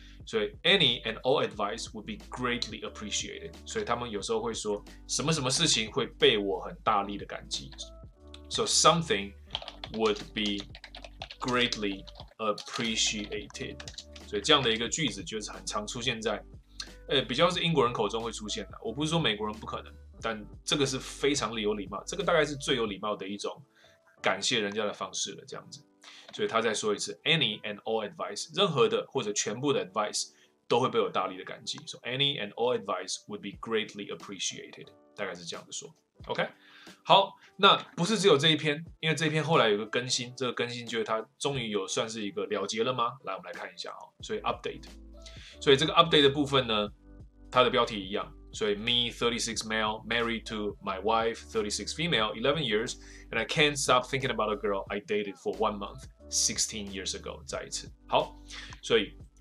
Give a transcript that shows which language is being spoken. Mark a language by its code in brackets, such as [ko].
[en] 所以 any and all advice would be greatly appreciated。 [zh] 所以他们有时候会说什么什么事情会被我很大力的感激。 [en] So something would be greatly appreciated。 [zh] 所以这样的一个句子就是很常出现在，比较是英国人口中会出现的。我不是说美国人不可能，但这个是非常有礼貌，这个大概是最有礼貌的一种感谢人家的方式了，这样子。所以他再说一次 ， [en] any and all advice， [zh] 任何的或者全部的 advice 都会被我大力的感激。 [en] So any and all advice would be greatly appreciated， [zh] 大概是这样子说。 OK， 好，那不是只有这一篇，因为这一篇后来有个更新，这个更新就是他终于有算是一个了结了吗？来，我们来看一下哦。所以 update， 所以这个 update 的部分呢，它的标题一样。 [en] 所以 me 36 male married to my wife 36 female 11 years and I can't stop thinking about a girl I dated for one month 16 years ago [zh] 再一次好所以